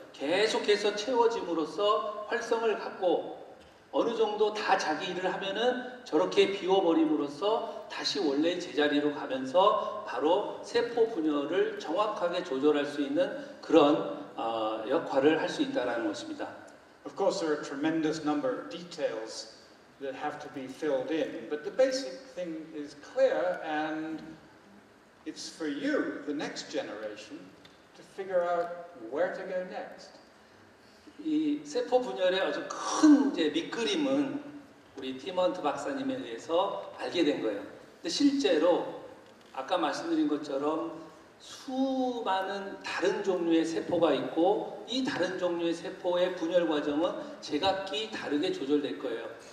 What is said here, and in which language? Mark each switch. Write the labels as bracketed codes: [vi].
[ko] 계속해서 채워짐으로써 활성을 갖고 어느 정도 다 자기 일을 하면은 저렇게 비워버림으로써 다시 원래 제자리로 가면서 바로 세포 분열을 정확하게 조절할 수 있는 그런 역할을 할 수 있다는 것입니다. [en] Of course, there are a tremendous number of details that have to be filled in, but the basic thing is clear, and it's for you, the next generation, to figure out where to go next. [ko] 이 세포 분열의 아주 큰 이제 밑그림은 우리 팀헌트 박사님에 의해서 알게 된 거예요. 근데 실제로 아까 말씀드린 것처럼 수많은 다른 종류의 세포가 있고 이 다른 종류의 세포의 분열 과정은 제각기 다르게 조절될 거예요.